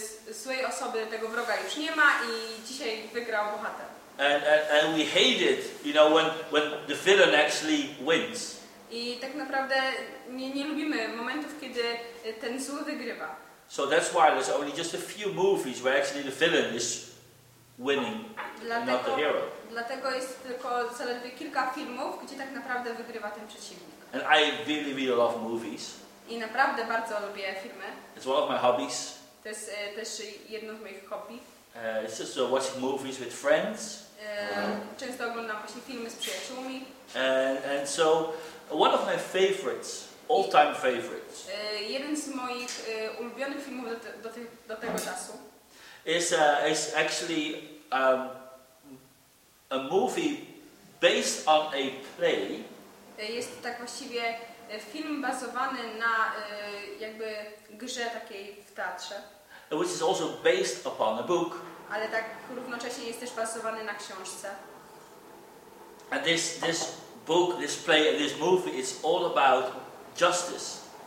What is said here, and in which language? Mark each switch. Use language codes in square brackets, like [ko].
[pl] Złej osoby, tego wroga już nie ma i dzisiaj wygrał bohater. [en] And we hate it, you know, when the villain actually wins. [pl] I tak naprawdę nie lubimy momentów, kiedy ten zły wygrywa. [en] So that's why there's only just a few movies where actually the villain is winning, [pl] dlatego, [en] not the hero. [pl] Dlatego jest tylko zaledwie kilka filmów, gdzie tak naprawdę wygrywa ten przeciwnik. [en] And I really, really love movies. [pl] I naprawdę bardzo lubię filmy. [en] It's one of my hobbies. [pl] To jest też jedno z moich hobby. [en] It's just watching movies with friends. [pl] Często oglądam właśnie filmy z przyjaciółmi. [en] And so one of my favorites, all-time favorites. [pl] Jeden z moich ulubionych filmów do tego czasu. [en] Is actually a movie based on a play. [pl] Jest tak właściwie film bazowany na jakby grze takiej w teatrze. [en] Which is also based upon a book. [pl] Ale tak równocześnie jest też bazowany na książce. [en] And this book, this play, this movie is all about justice.